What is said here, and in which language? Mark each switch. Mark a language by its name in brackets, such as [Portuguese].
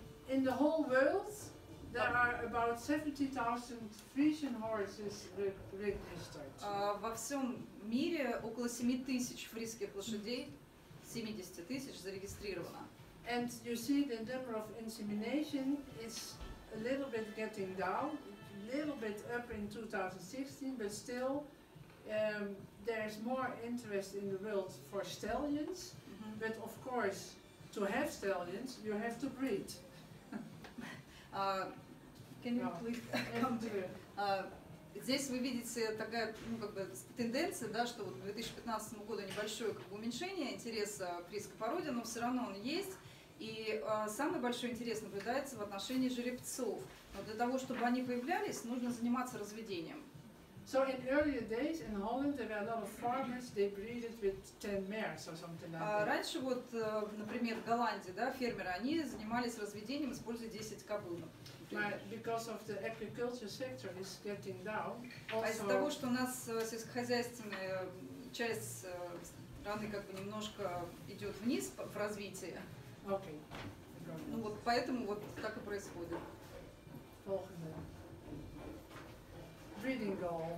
[English] In the whole world, there are about 70,000 Friesian horses registered. [Russian] Во всем мире около 7000 фрисских лошадей, 70,000 зарегистрировано. [English] And you see the number of insemination is a little bit getting down, a little bit up in 2016, but still there's more interest in the world for stallions. Mm-hmm. But of course, to have stallions, you have to breed. Can you please come to [Russian] Здесь вы видите такая, ну, как бы, тенденция, да, что вот в 2015 году небольшое, как бы, уменьшение интереса к фрисской породе, но все равно он есть. И самый большой интерес наблюдается в отношении жеребцов. Но для того, чтобы они появлялись, нужно заниматься разведением. [English] So in earlier days in Holland there were a lot of farmers, they breeded with 10 mares or something like that. [Russian] Раньше вот, например, в Голландии, да, фермеры, они занимались разведением, используя 10 кобыл. [English] Because of the agriculture sector is getting down. [Russian] А из-за того, что у нас сельскохозяйственная часть страны как бы немножко идет вниз в развитии. [English] Okay. [Russian] Ну вот поэтому вот так и происходит. Следующее. [English] Breeding goal.